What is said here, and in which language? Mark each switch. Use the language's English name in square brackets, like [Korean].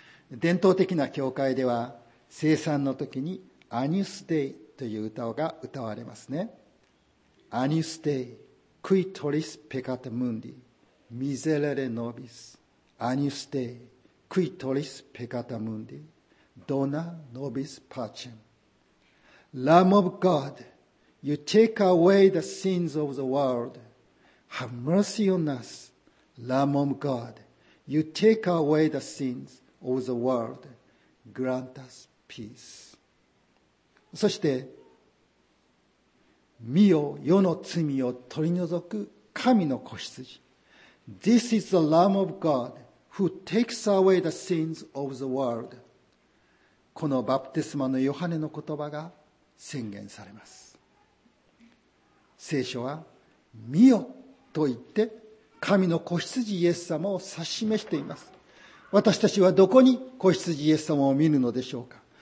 [Japanese] 伝統的な教会では、聖餐の時にアニュスデイという歌が歌われますね。 [Latin] アニュスデイ、クイトリスペカタムンディ、ミゼレレノビス。アニュスデイ、クイトリスペカタムンディ、ドナノビスパーチェン。 [English] Lamb of God, you take away the sins of the world. Have mercy on us. Lamb of God, you take away the sins of the world. Grant us peace. [Japanese] そして、見よ、世の罪を取り除く神の子羊。 [English] This is the Lamb of God who takes away the sins of the world. [Japanese] このバプテスマのヨハネの言葉が宣言されます。聖書は、見よと言って、神の子羊イエス様を指し示しています。私たちはどこに子羊イエス様を見るのでしょうか。